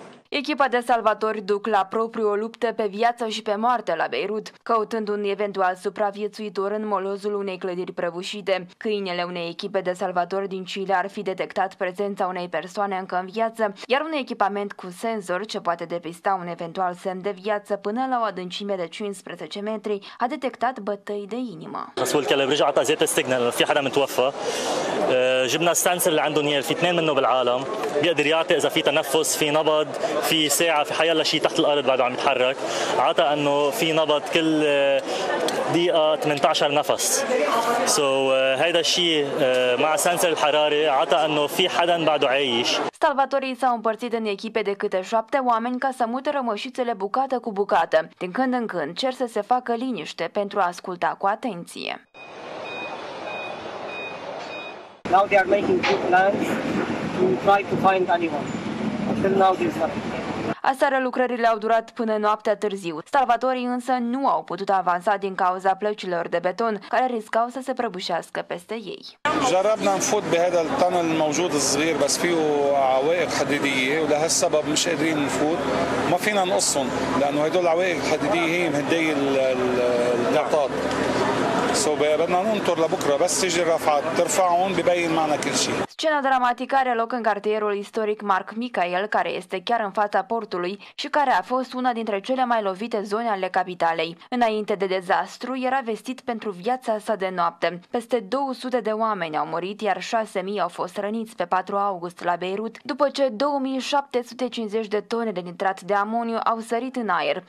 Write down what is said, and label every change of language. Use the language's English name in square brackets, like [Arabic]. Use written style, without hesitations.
[Romanian] Echipa de salvatori duc la propriu o luptă pe viață și pe moarte la Beirut, căutând un eventual supraviețuitor în molozul unei clădiri prăbușite. Câinele unei echipe de salvatori din Chile ar fi detectat prezența unei persoane încă în viață, iar un echipament cu senzor ce poate depista un eventual semn de viață până la o adâncime de 15 metri a detectat bătăi de inimă. [Arabic] جبنا السنسر اللي عندهم هي في 2 منه بالعالم بيقدر يعطي اذا في تنفس في نبض في ساعة في حيالله شيء تحت الارض بعده عم يتحرك عطى انه في نبض كل دقيقة 18 نفس سو هيدا الشيء مع سنسر الحراري عطى انه في حدا بعده عايش. [Romanian] Salvatorii s-au împărțit în echipe de câte 7 oameni ca să mute rămășițele bucată cu bucată. Din când în când cer să se facă liniște pentru a asculta cu atenție. [English] Now they are making good plans to try to find anyone. Until now this happened. [Romanian] Aseară lucrările au durat până noaptea târziu. Salvatorii însă nu au putut avansa din cauza plăcilor de beton care riscau să se prăbușească peste ei. [Arabic] جربنا نفوت بهذا التانل الموجود الصغير بس فيه عوائق حديديه ولهالسبب مش قادرين نفوت ما فينا نقصهم لانه هدول العوائق الحديديه هي مهدي النقاط. سو بدنا ننتظر لبكره بس تيجي الرفعات ترفعهم ببين معنا كل شيء. [Romanian] Scena dramatică are loc în cartierul istoric Marc Michael, care este chiar în fața portului și care a fost una dintre cele mai lovite zone ale capitalei. Înainte de dezastru, era vestit pentru viața sa de noapte. Peste 200 de oameni au murit, iar 6.000 au fost răniți pe 4 august la Beirut, după ce 2.750 de tone de nitrat de amoniu au sărit în aer.